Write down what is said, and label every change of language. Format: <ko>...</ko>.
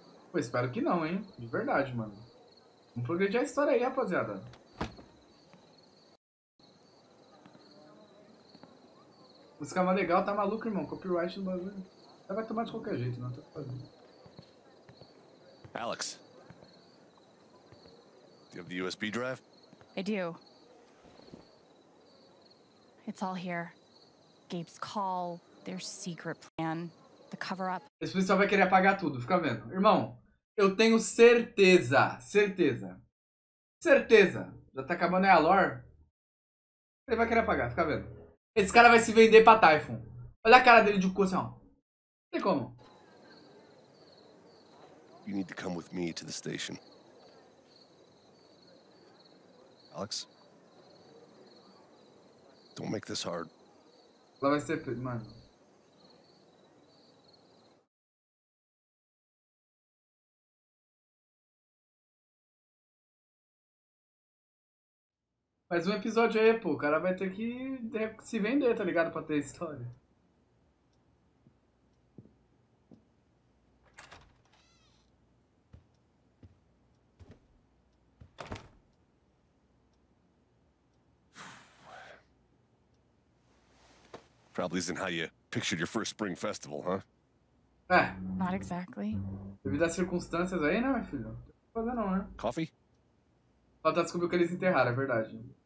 <pt>Pô, espero que não, hein? De verdade, mano. Vamos progredir a história aí, rapaziada. Esse cara é legal, tá maluco, irmão. Copyright no bagulho. Já vai tomar de qualquer jeito, não. Tô fazendo. Alex.</pt> <en>Do you have the USB drive? I do. It's all here. Gabe's call, their secret plan, the cover-up.</en> <pt>Esse pessoal vai querer apagar tudo, fica vendo. Irmão, eu tenho certeza, certeza, certeza. Já tá acabando aí a lore. Ele vai querer apagar, fica vendo. Esse cara vai se vender pra Typhon. Olha a cara dele de coração. Não tem como.</pt> <en>You need to come with me to the station. Alex, don't make this hard.</en> <pt>Lá vai ser, mano. Mais um episódio aí, pô. O cara vai ter que se vender, tá ligado? Pra ter história.</pt> <en>Probably isn't how you pictured your first spring festival, huh? Ah, not exactly.</en> <pt>Devido às circunstâncias aí, né, meu filho? Não fazer não, né?</pt> <en>Coffee?</en> <pt>Falta descobrir o que eles enterraram, é verdade.</pt>